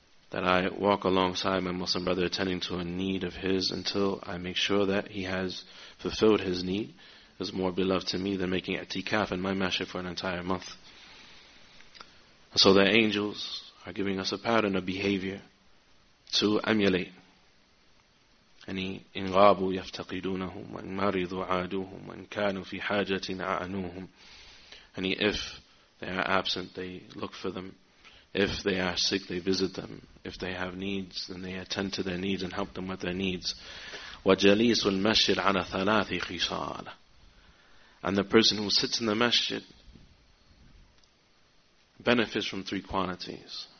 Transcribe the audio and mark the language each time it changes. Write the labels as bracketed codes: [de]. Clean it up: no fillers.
[en] That I walk alongside my Muslim brother attending to a need of his until I make sure that he has fulfilled his need is more beloved to me than making i'tikaf in my masjid for an entire month. So the angels are giving us a pattern of behavior to emulate. And in [ar] غابوا يفتقدونهم وإن مرضوا عادوهم وإن كانوا في حاجة أعانوهم. [en] And if they are absent, they look for them. If they are sick, they visit them. If they have needs, then they attend to their needs and help them with their needs. [ar] وَجَلِيسُ الْمَسْجِدْ عَلَى ثَلَاثِ خِصَالَ. [en] And the person who sits in the masjid benefits from three qualities.